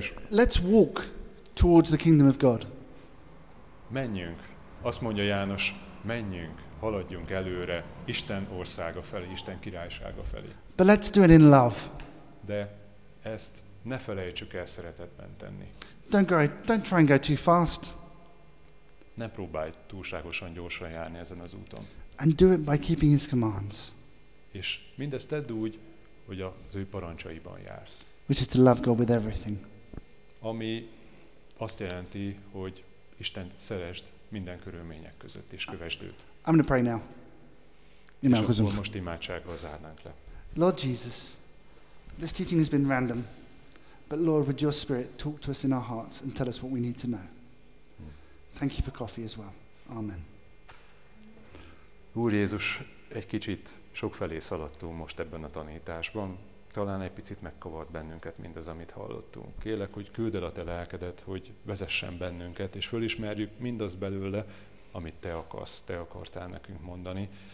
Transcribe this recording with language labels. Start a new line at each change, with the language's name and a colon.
English: Let's walk towards the kingdom of God.
Hungarian: Menjünk. Azt mondja János, menjünk, haladjunk előre Isten országa felé, Isten királysága felé.
English: But let's do it in love.
Hungarian: De ezt ne felejtsük el szeretetben tenni.
English: Don't try and go too fast.
Hungarian: Ne próbálj túlságosan gyorsan járni ezen az úton.
English: And do it by keeping his commands.
Hungarian: És mindezt tedd úgy, hogy az ő parancsaiban jársz.
English: Which is to love God with everything.
Hungarian: Ami azt jelenti, hogy Istent szeresd minden körülmények között, és kövesd őt.
English: I'm going to pray now.
Hungarian: Imádkozunk. És most imádsággal zárnánk le.
English: Lord Jesus, this teaching has been random, but Lord, would your spirit talk to us in our hearts and tell us what we need to know. Thank you for coffee as well. Amen.
Hungarian: Úr Jézus, egy kicsit sokfelé szaladtunk most ebben a tanításban. Talán egy picit megkavart bennünket mindez, amit hallottunk. Kérlek, hogy küldd el a te lelkedet, hogy vezessen bennünket, és fölismerjük mindaz belőle, amit te akartál nekünk mondani.